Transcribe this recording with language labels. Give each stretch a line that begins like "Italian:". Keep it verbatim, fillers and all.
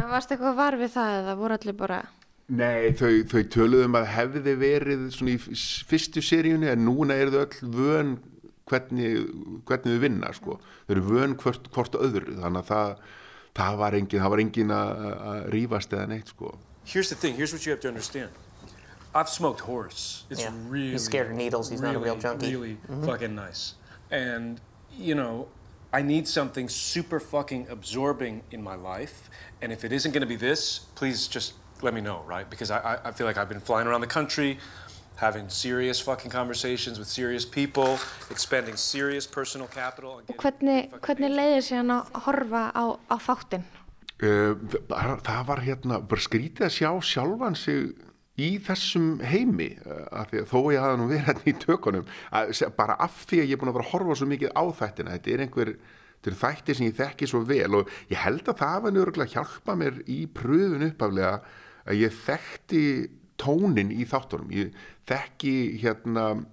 Icelandic: En varst eitthvað var við það eða voru allir bara? Nei, þau, þau töluðum að hefði verið svona í fyrstu seríunni en núna eru þau öll vön hvernig, hvernig þau vinna sko. Þau eru vön hvort, hvort öðru þannig að það, það var engin, það var engin að, að rífast eða neitt sko.
English: Here's the thing, here's what you have to understand. I've smoked horse. It's yeah. really, he's scared of needles, he's really, not a real junkie. Really mm-hmm. fucking nice. And, you know, I need something super fucking absorbing in my life, and if it isn't going to be this, please just let me know, right? Because I, I, I feel like I've been flying around the country, having serious fucking conversations with serious people, expending serious personal capital.
Icelandic: Og hvernig, hvernig leiðir sér hann að horfa á, á þáttinn? Uh, það, það var hérna, bara skrítið að sjá sjálfan sig í þessum heimi, af því að þó ég hafði nú verið hérna í tökunum, að, bara af því að ég er búin að vera að horfa svo mikið á þættina, þetta er einhver, þetta er þætti sem ég þekki svo vel og ég held að það hafi nörgulega hjálpa mér í pröfun upphaflega að ég þekkti tónin í þáttunum, ég þekki hérna